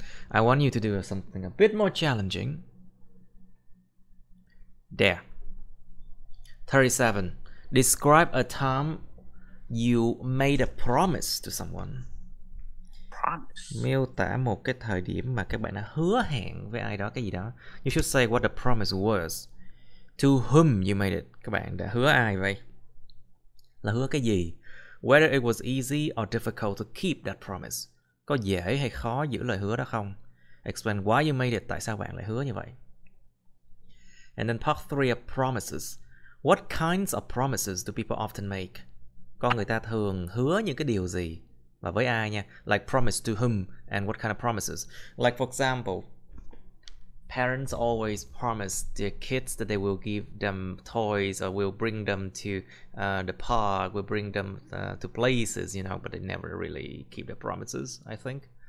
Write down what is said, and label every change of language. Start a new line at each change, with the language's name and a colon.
English: I want you to do something a bit more challenging. There. 37. Describe a time you made a promise to someone.
Vietnamese: Miêu tả một cái thời điểm mà các bạn đã hứa hẹn với ai đó cái gì đó.
English: You should say what the promise was. To whom you made it.
Vietnamese: Các bạn đã hứa ai vậy? Là hứa cái gì?
English: Whether it was easy or difficult to keep that promise.
Vietnamese: Có dễ hay khó giữ lời hứa đó không?
English: Explain why you made it.
Vietnamese: Tại sao bạn lại hứa như vậy?
English: And then part 3 of promises. What kinds of promises do people often make?
Vietnamese: Con người ta thường hứa những cái điều gì? Và với ai nha?
English: Like promise to whom and what kind of promises? Like for example, parents always promise their kids that they will give them toys, or will bring them to the park, will bring them to places, you know, but they never really keep their promises, I think.